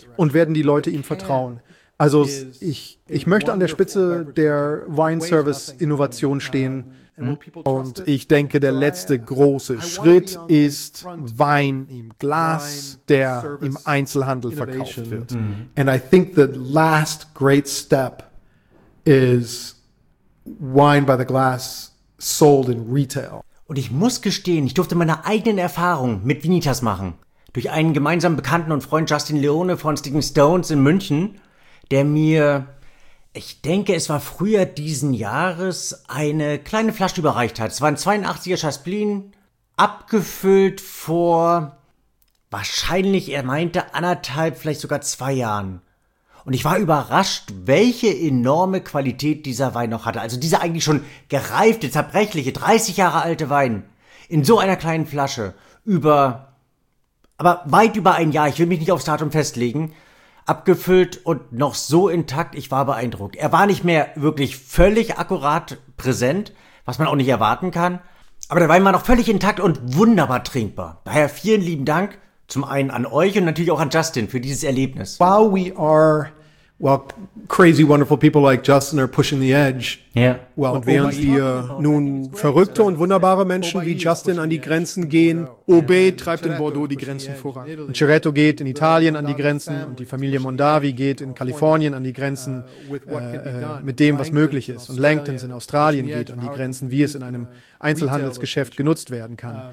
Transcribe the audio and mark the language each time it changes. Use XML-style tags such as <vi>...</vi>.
<de>Und werden die Leute ihm vertrauen? Also ich möchte an der Spitze der Wine-Service-Innovation stehen. Und ich denke, der letzte große Schritt ist Wein im Glas, der im Einzelhandel verkauft wird.</de> <en>And I think the last great step is Wine by the glass sold in retail.</en> <de>Und ich muss gestehen, ich durfte meine eigenen Erfahrungen mit Vinitas machen. Durch einen gemeinsamen Bekannten und Freund Justin Leone von Sticking Stones in München, der mir, ich denke, es war früher diesen Jahres, eine kleine Flasche überreicht hat. Es war ein 82er Chasplin, abgefüllt vor, wahrscheinlich, er meinte, anderthalb, vielleicht sogar 2 Jahren. Und ich war überrascht, welche enorme Qualität dieser Wein noch hatte. Also dieser eigentlich schon gereifte, zerbrechliche, 30 Jahre alte Wein in so einer kleinen Flasche weit über ein Jahr, ich will mich nicht aufs Datum festlegen, abgefüllt und noch so intakt, ich war beeindruckt. Er war nicht mehr wirklich völlig akkurat präsent, was man auch nicht erwarten kann, aber der Wein war noch völlig intakt und wunderbar trinkbar. Daher vielen lieben Dank. Zum einen an euch und natürlich auch an Justin für dieses Erlebnis.</de> <en>While we are well, crazy, wonderful people like Justin are pushing the edge. Yeah.</en> <de>Well, und während wir nun verrückte und wunderbare Menschen wie Justin an die Grenzen gehen, Obey treibt in Bordeaux die Grenzen voran. Cheretto geht in Italien an die Grenzen und die Familie Mondavi geht in Kalifornien an die Grenzen mit dem, was möglich ist. Und Langtons in Australien geht an die Grenzen, wie es in einem Einzelhandelsgeschäft genutzt werden kann.</de>